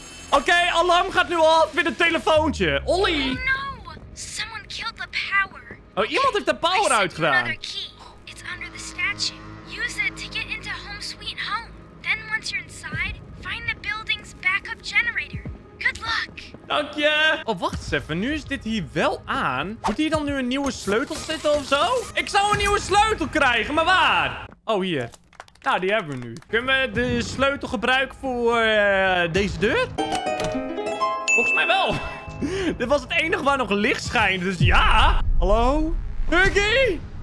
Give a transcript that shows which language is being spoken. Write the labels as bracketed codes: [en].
[nl] Oké, alarm gaat nu af met het telefoontje. Olly! [en] Oh, no! Someone killed the power. [nl] Oh, iemand heeft de power uitgedaan. [en] It's under the statue. Use it to get into home sweet home. Then once you're inside, find the building's backup generator. Good luck. [nl] Dank je. Oh, wacht eens even. Nu is dit hier wel aan. Moet hier dan nu een nieuwe sleutel zitten of zo? Ik zou een nieuwe sleutel krijgen, maar waar? Oh, hier. Nou, die hebben we nu. Kunnen we de sleutel gebruiken voor deze deur? Volgens mij wel. Dit was het enige waar nog licht schijnt, dus ja. Hallo? Huggy?